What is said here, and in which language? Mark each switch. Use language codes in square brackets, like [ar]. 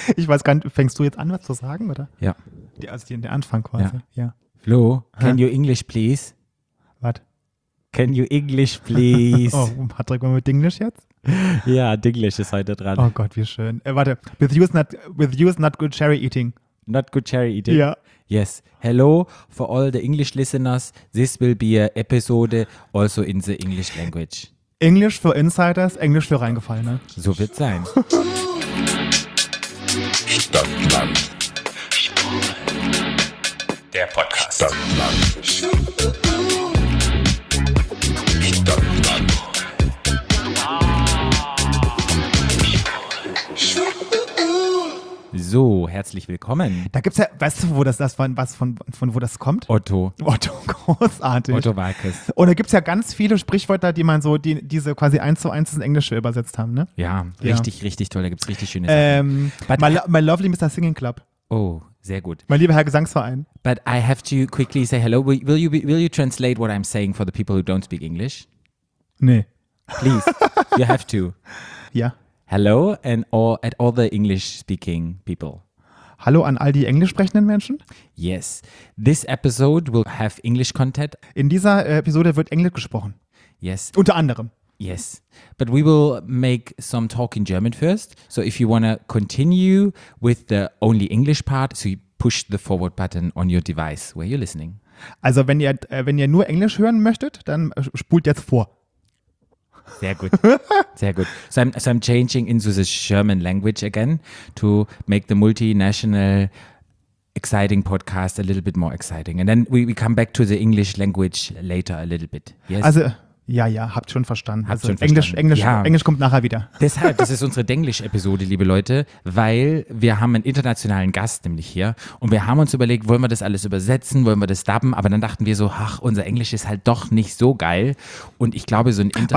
[de] Ich weiß gar nicht, fängst du jetzt an, was zu sagen, oder? Ja. Also der Anfang quasi, ja. [en] Flo, can you English please? What? Can you English please? [de] Oh, Patrick, mal mit Englisch jetzt? Ja, Dinglish ist heute dran. Oh Gott, wie schön. Warte, [en] with you is not good cherry eating. Not good cherry eating. Yeah. Yes. Hello for all the English listeners. This will be an episode also in the English language. English for insiders, English [de] für Reingefallene. So wird's sein. Stadtland. Der Podcast. Stadtland. So, herzlich willkommen. Da gibt's ja, weißt du, wo wo das kommt? Otto. Otto, großartig. Otto Walkes. Und da gibt's ja ganz viele Sprichwörter, die man so, diese quasi 1:1 ins Englische übersetzt haben, ne? Ja, richtig, richtig toll. Da gibt's richtig schöne Sachen. [en] My lovely Mr. Singing Club. [de] Oh, sehr gut. Mein lieber Herr Gesangsverein. [en] But I have to quickly say hello. Will you translate what I'm saying for the people who don't speak English? [de] Nee. [en] Please, you have to. [de] Ja. [en] Hello and at all the English-speaking people. [de] Hallo an all die englischsprechenden Menschen. [en] Yes, this episode will have English content. [de] In dieser Episode wird Englisch gesprochen. [en] Yes. [de] Unter anderem. [en] Yes, but we will make some talk in German first. So if you want to continue with the only English part, so you push the forward button on your device where you're listening. [de] Also wenn ihr nur Englisch hören möchtet, dann spult jetzt vor. Sehr gut, sehr gut. [en] So I'm changing into the German language again to make the multinational exciting podcast a little bit more exciting. And then we come back to the English language later a little bit. Yes? [de] Also, ja, habt schon verstanden. Habt also schon verstanden. Englisch kommt nachher wieder. Deshalb, das ist unsere Denglisch-Episode, liebe Leute, weil wir haben einen internationalen Gast nämlich hier und wir haben uns überlegt, wollen wir das alles übersetzen, wollen wir das dubben, aber dann dachten wir so, ach, unser Englisch ist halt doch nicht so geil und ich glaube, so ein Interview…